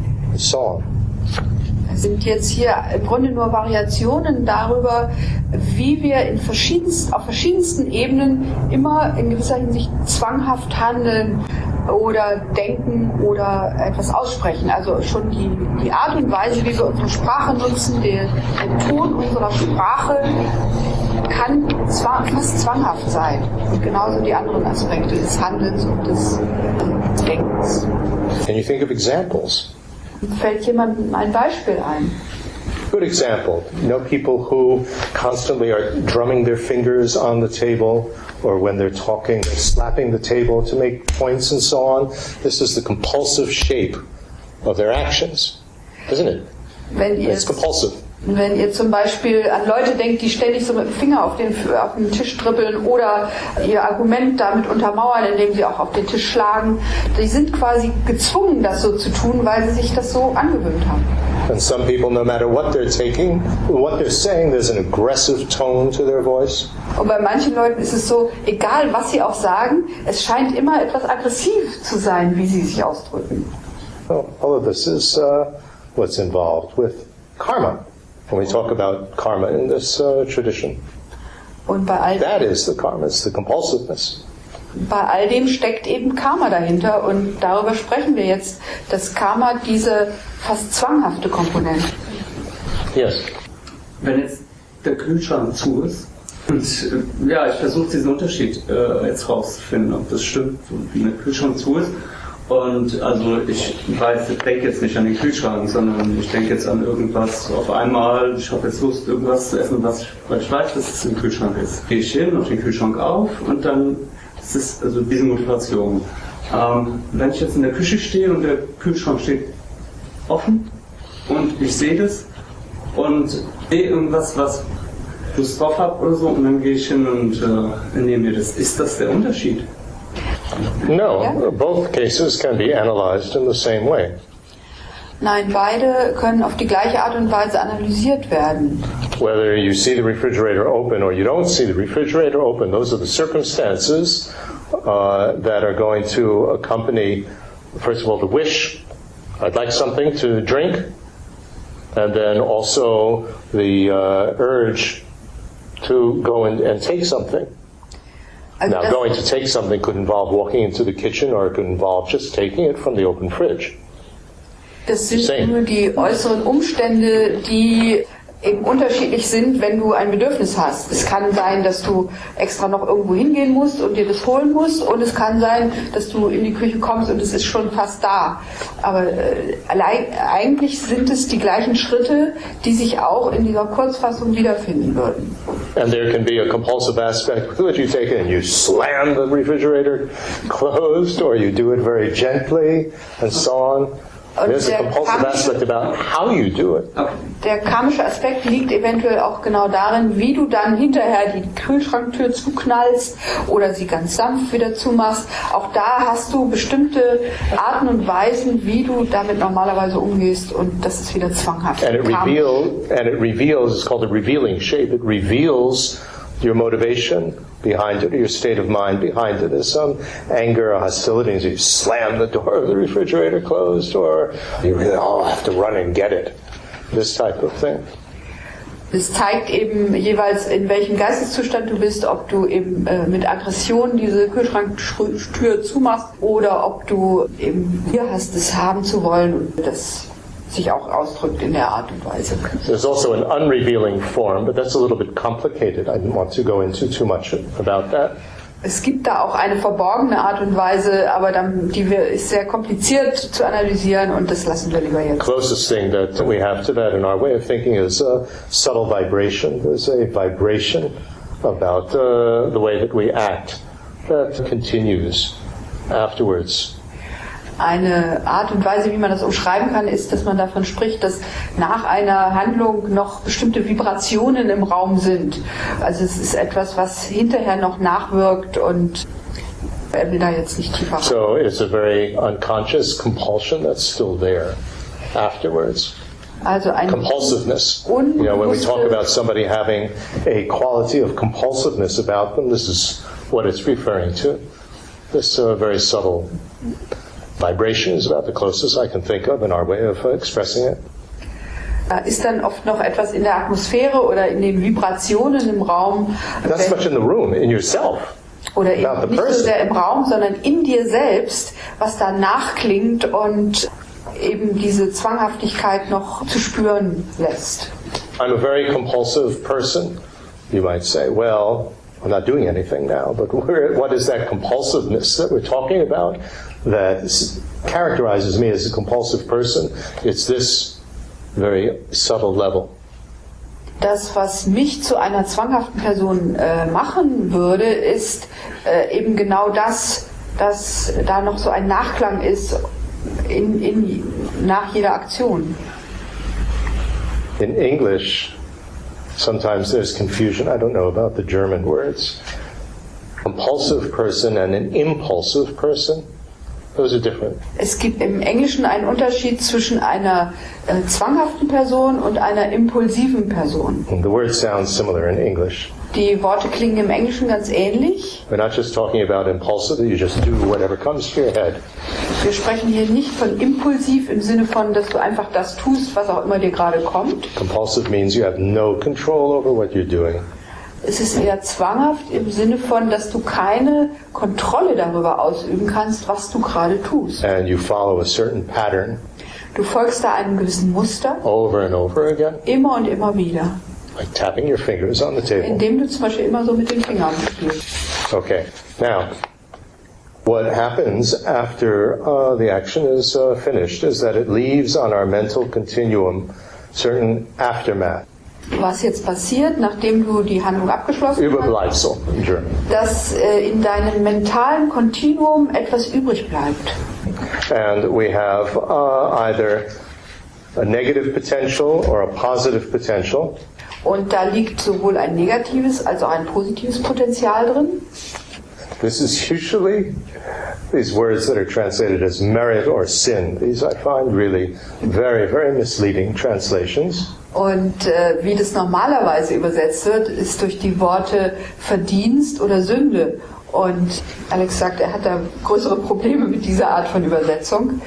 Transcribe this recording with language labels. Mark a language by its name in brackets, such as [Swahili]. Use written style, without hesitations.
[English] and so on. [German] Sind jetzt hier im Grunde nur Variationen darüber, wie wir in auf verschiedensten Ebenen immer in gewisser Hinsicht zwanghaft handeln oder denken oder etwas aussprechen. Also schon die Art und Weise, wie wir unsere Sprache nutzen, der Ton unserer Sprache kann zwar fast zwanghaft sein. Und genauso die anderen Aspekte des Handelns und des Denkens. [English] Can you think of examples? [German] Fällt jemandem ein Beispiel ein? [English] Good example. You know, people who constantly are drumming their fingers on the table, or when they're talking, they're slapping the table to make points and so on. This is the compulsive shape of their actions, isn't it? It's compulsive. [German] Wenn ihr zum Beispiel an Leute denkt, die ständig so mit dem Finger auf den Tisch dribbeln oder ihr Argument damit untermauern, indem sie auch auf den Tisch schlagen, die sind quasi gezwungen, das so zu tun, weil sie sich das so angewöhnt haben. [English] And some people, no matter what they're taking, what they're saying, there's an aggressive tone to their voice. [German] Und bei manchen Leuten ist es so, egal was sie auch sagen, es scheint immer etwas aggressiv zu sein, wie sie sich ausdrücken. [English] Well, all of this is what's involved with karma. When we talk about karma in this tradition. [German] Und bei all [English] that is the karma, it's the compulsiveness. [German] Bei all dem steckt eben Karma dahinter und darüber sprechen wir jetzt, dass Karma diese fast zwanghafte Komponente. Yes. Wenn jetzt der Kühlschrank zu ist und ja, ich versuche diesen Unterschied jetzt rauszufinden, ob das stimmt, wenn der Kühlschrank zu ist. Und also ich denke jetzt nicht an den Kühlschrank, sondern ich denke jetzt an irgendwas auf einmal. Ich habe jetzt Lust, irgendwas zu essen, weil ich weiß, dass es im Kühlschrank ist. Gehe ich hin, mache den Kühlschrank auf und dann ist es also diese Motivation. Wenn ich jetzt in der Küche stehe und der Kühlschrank steht offen und ich sehe das und sehe irgendwas, was Lust drauf habe oder so, und dann gehe ich hin und nehme mir das. Ist das der Unterschied? [English] No, both cases can be analyzed in the same way. [German] Nein, beide können auf die gleiche Art und Weise analysiert werden. [English] Whether you see the refrigerator open or you don't see the refrigerator open, those are the circumstances that are going to accompany, first of all, the wish, I'd like something to drink, and then also the urge to go and take something. Now, going to take something could involve walking into the kitchen, or it could involve just taking it from the open fridge. [German] Das sind nur die äußeren Umstände, die eben unterschiedlich sind, wenn du ein Bedürfnis hast. Es kann sein, dass du extra noch irgendwo hingehen musst und dir das holen musst, und es kann sein, dass du in die Küche kommst und es ist schon fast da. Aber eigentlich sind es die gleichen Schritte, die sich auch in dieser Kurzfassung wiederfinden würden. [English] And there can be a compulsive aspect that you take it and you slam the refrigerator closed, or you do it very gently and so on. There's a compulsive aspect about how you do it. [German] Der karmische Aspekt liegt eventuell auch genau darin, wie du dann hinterher die Kühlschranktür zuknallst oder sie ganz sanft wieder zumachst. Auch da hast du bestimmte Arten und Weisen, wie du damit normalerweise umgehst, und das ist wieder zwanghaft. [English] And it reveals, it's called a revealing shape. It reveals your motivation behind it, your state of mind behind it. There's some anger or hostility, and so you slam the door of the refrigerator closed, or you really all have to run and get it. This type of thing. [German] Es zeigt eben jeweils, in welchem Geisteszustand du bist, ob du eben mit Aggression diese Kühlschranktür zumachst oder ob du eben hier hast, es haben zu wollen, und das sich auch ausdrückt in der Art und Weise. [English] There's also an unrevealing form, but that's a little bit complicated. I didn't want to go into too much about that. [German] Es gibt da auch eine verborgene Art und Weise, aber dann, ist sehr kompliziert zu analysieren, und das lassen wir lieber jetzt. [English] The closest thing that we have to that in our way of thinking is a subtle vibration. There's a vibration about the way that we act that continues afterwards. [German] Eine Art und Weise, wie man das umschreiben kann, ist, dass man davon spricht, dass nach einer Handlung noch bestimmte Vibrationen im Raum sind. Also es ist etwas, was hinterher noch nachwirkt, und er will da jetzt nicht tiefer. [English] So it's a very unconscious compulsion that's still there afterwards. [German] Also eine [English] compulsiveness. You know, when we talk about somebody having a quality of compulsiveness about them, this is what it's referring to. This is a very subtle Vibration is about the closest I can think of in our way of expressing it. [German] Ist dann oft noch etwas in der Atmosphäre oder in den Vibrationen im Raum? [English] Not so much in the room, in yourself. [German] Oder eben nicht so sehr im Raum, sondern in dir selbst, was da nachklingt und eben diese Zwanghaftigkeit noch zu spüren lässt. [English] I'm a very compulsive person. You might say, well, I'm not doing anything now, but what is that compulsiveness that we're talking about that characterizes me as a compulsive person? It's this very subtle level. [German] Das, was mich zu einer zwanghaften Person machen würde, ist eben genau das, dass da noch so ein Nachklang ist in nach jeder Aktion. [English] In English, sometimes there's confusion. I don't know about the German words. Compulsive person and an impulsive person. Those are different. [German] Es gibt im Englischen einen Unterschied zwischen einer zwanghaften Person und einer impulsiven Person. [English] And the words sound similar in English. [German] Die Worte klingen im Englischen ganz ähnlich. [English] We're not just talking about impulsive, you just do whatever comes to your head. [German] Wir sprechen hier nicht von impulsiv im Sinne von, dass du einfach das tust, was auch immer dir gerade kommt. [English] Compulsive means you have no control over what you're doing. [German] Es ist eher zwanghaft im Sinne von, dass du keine Kontrolle darüber ausüben kannst, was du gerade tust. [English] And you follow a certain pattern. [German] Du folgst da einem gewissen Muster. [English] Over and over again. [German] Immer und immer wieder. [English] Like tapping your fingers on the table. [German] Indem du zum Beispiel immer so mit den Fingern spielst. [English] Okay, now, what happens after the action is finished is that it leaves on our mental continuum certain aftermath. [German] Was jetzt passiert, nachdem du die Handlung abgeschlossen hast, dass in deinem mentalen Kontinuum etwas übrig bleibt. [English] And we have either a negative potential or a positive potential. [German] Und da liegt sowohl ein negatives als auch ein positives Potenzial drin. [English] This is usually these words that are translated as merit or sin. These I find really very, very misleading translations. [German] Und wie das normalerweise übersetzt wird, ist durch die Worte Verdienst oder Sünde. Und Alex sagt, er hat da größere Probleme mit dieser Art von Übersetzung.